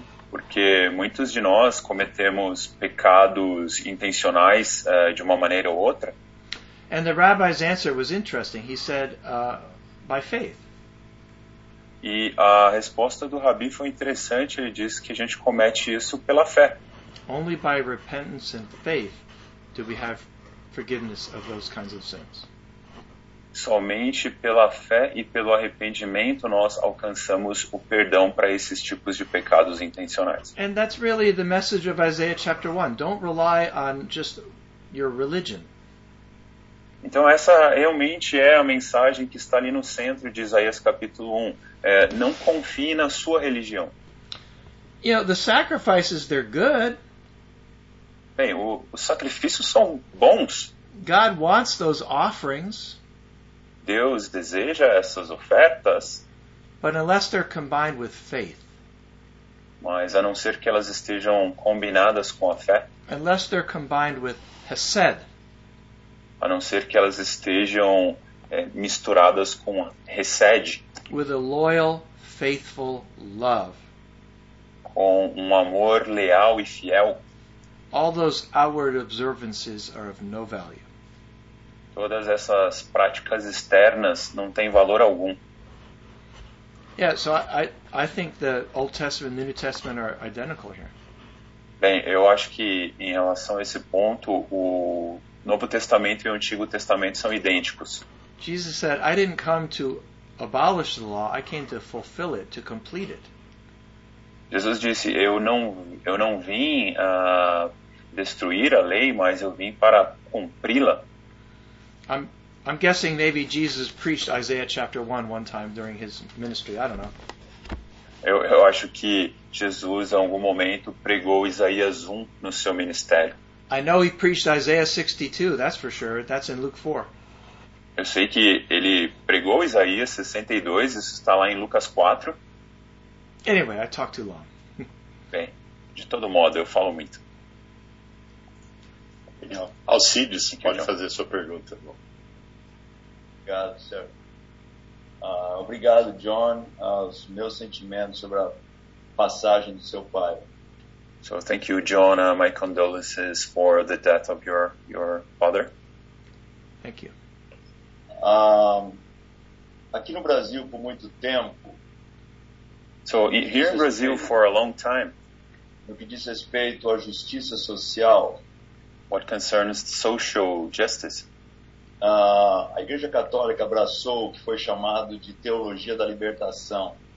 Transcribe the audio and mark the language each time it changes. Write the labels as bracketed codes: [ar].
[pt] Porque muitos de nós cometemos pecados intencionais de uma maneira ou outra. [en] And the rabbi's answer was interesting. He said, by faith. [pt] E a resposta do rabi foi interessante. Ele disse que a gente comete isso pela fé. [en] Only by repentance and faith do we have forgiveness of those kinds of sins. [pt] Somente pela fé e pelo arrependimento nós alcançamos o perdão para esses tipos de pecados intencionais. [en] And that's really the message of Isaiah chapter 1. Don't rely on just your religion. [pt] Então essa realmente é a mensagem que está ali no centro de Isaías capítulo 1. Não confie na sua religião. [en] You know, the sacrifices, they're good. [pt] Bem, os sacrifícios são bons. [en] God wants those offerings. [pt] Deus deseja essas ofertas. [en] But unless they're combined with faith. [pt] Mas a não ser que elas estejam combinadas com a fé. [en] Unless they're combined with hesed. [pt] A não ser que elas estejam misturadas com hesed. [en] With a loyal, faithful love. [pt] Com um amor leal e fiel. [en] All those outward observances are of no value. [pt] Todas essas práticas externas não têm valor algum. [en] Yeah, so I think the Old Testament and the New Testament are identical here. [pt] Bem, eu acho que em relação a esse ponto, o Novo Testamento e o Antigo Testamento são idênticos. [en] Jesus said, I didn't come to abolish the law, I came to fulfill it, to complete it. [pt] Jesus disse, eu não vim destruir a lei, mas eu vim para cumpri-la. [en] I'm guessing maybe Jesus preached Isaiah chapter 1 one time during his ministry, I don't know. [pt] Eu acho que Jesus em algum momento pregou Isaías 1 no seu ministério. [en] I know he preached Isaiah 62, that's for sure, that's in Luke 4. [pt] Eu sei que ele pregou Isaías 62, isso está lá em Lucas 4. [en] Anyway, I talk too long. [pt] Bem, de todo modo, eu falo muito. Alcides, pode fazer sua pergunta. Obrigado, senhor. Obrigado, John. Os meus sentimentos sobre a passagem do seu pai. [en] So, thank you, John. My condolences for the death of your father. Thank you. [pt] Aqui no Brasil, por muito tempo. [en] So, here in Brazil for a long time. [pt] No que diz respeito à justiça social. [en] What concerns social justice? [pt] A Igreja Católica abraçou o que foi chamado de teologia da libertação.